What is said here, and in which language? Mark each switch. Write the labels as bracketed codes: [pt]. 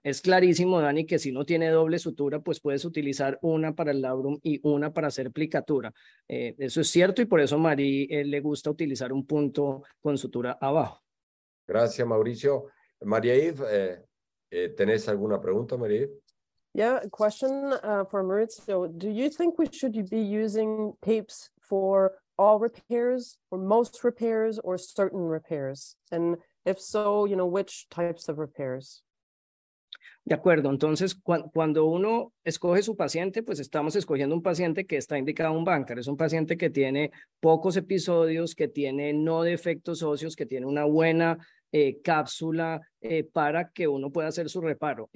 [es] Es clarísimo, Dani, que si uno tiene doble sutura, pues puedes utilizar una para el labrum y una para hacer plicatura. Eso es cierto, y por eso a Mari le gusta utilizar un punto con sutura abajo. Gracias, Mauricio. María Yves, ¿tenés alguna pregunta, María Yves? [en] Yeah, a question for Maurizio. Do you think we should be using tapes for all repairs, or most repairs, or certain repairs? And if so, you know, which types of repairs? [es] De acuerdo. Entonces, cuando uno escoge su paciente, pues estamos escogiendo un paciente que está indicado un bancar. Es un paciente que tiene pocos episodios, que tiene no defectos óseos, que tiene una buena cápsula para que uno pueda hacer su reparo.